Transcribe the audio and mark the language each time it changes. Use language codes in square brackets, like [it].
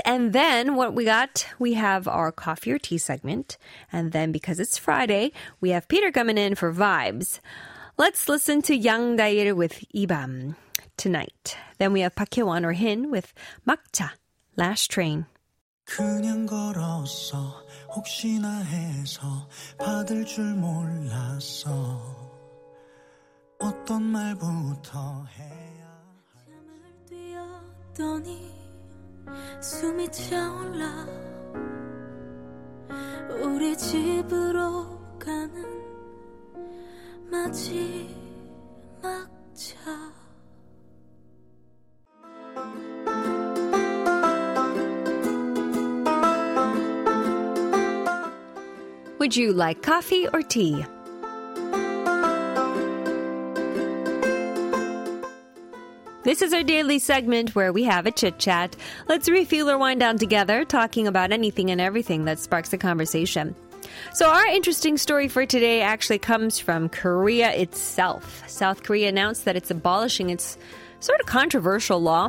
[en] And then what we got, we have our coffee or tea segment. And then because it's Friday, we have Peter coming in for vibes. Let's listen to Yang Dae-il with Ibam tonight. Then we have Park Hye-won or Hin with Makcha, Last Train. [ko] 그냥 걸었어 혹시나 해서 받을 줄 몰랐어 어떤 말부터 해 더니 숨이 차올라 우리 집으로 가는 마지막 차 [en] Would you like coffee or tea? This is our daily segment where we have a chit-chat. Let's refuel or wind down together, talking about anything and everything that sparks a conversation. So our interesting story for today actually comes from Korea itself. South Korea announced that it's abolishing its sort of controversial law.